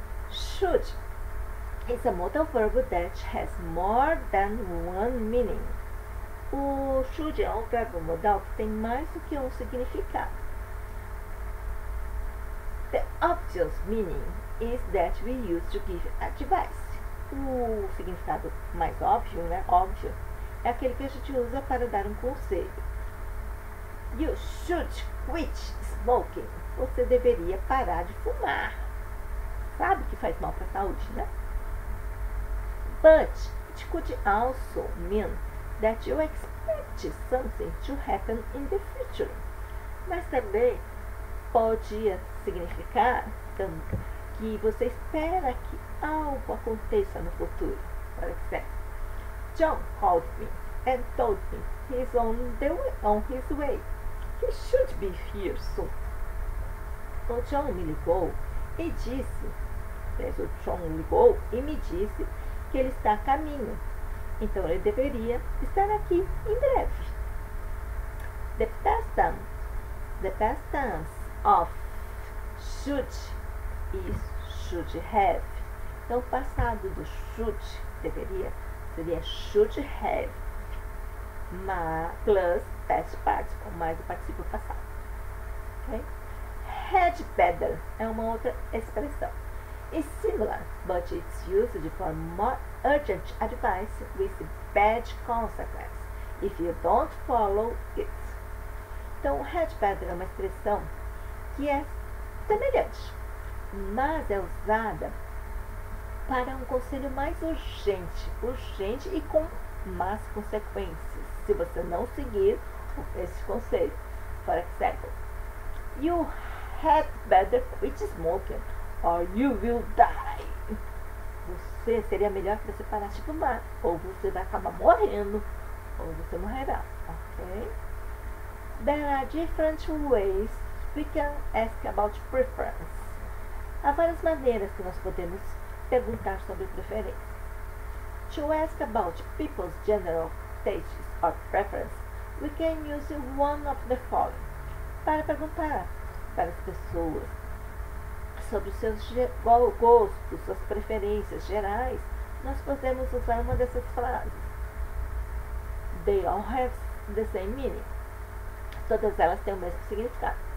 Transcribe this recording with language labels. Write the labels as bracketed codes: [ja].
[en] Should is a modal verbo that has more than one meaning. [pt] O should é um verbo modal que tem mais do que um significado. [en] The obvious meaning is that we use to give advice. [pt] O significado mais óbvio, né? Óbvio, é aquele que a gente usa para dar um conselho. [en] You should quit smoking. [pt] Você deveria parar de fumar. Sabe que faz mal para a saúde, né? [en] But it could also mean that you expect something to happen in the future. [pt] Mas também podia significar que você espera que algo aconteça no futuro. Por exemplo, John called me and told me he's on his way. [en] He should be here soon. [pt] O John me ligou e disse, mas o John ligou e me disse que ele está a caminho. Então, ele deveria estar aqui em breve. [en] The past tense of should is should have. [pt] Então, o passado do should deveria seria [en] should have plus past participle, [pt] mais o participio passado. Okay? Had better é uma outra expressão. [en] It's similar, but it's used for more urgent advice with bad consequences if you don't follow it. [pt] Então, had better é uma expressão que é semelhante, mas é usada para um conselho mais urgente, urgente e com más consequências, se você não seguir esse conselho. [en] For example, you had better quit smoking. Or you will die. [pt] Você seria melhor que você parasse de fumar. Ou você vai acabar morrendo. Ou você morrerá. Ok? [en] There are different ways we can ask about preference. [pt] Há várias maneiras que nós podemos perguntar sobre preferência. [en] To ask about people's general tastes or preference, we can use one of the following. [pt] Para perguntar para as pessoas sobre os seus gostos, suas preferências gerais, nós podemos usar uma dessas frases. [en] They all have the same meaning. [pt] Todas elas têm o mesmo significado.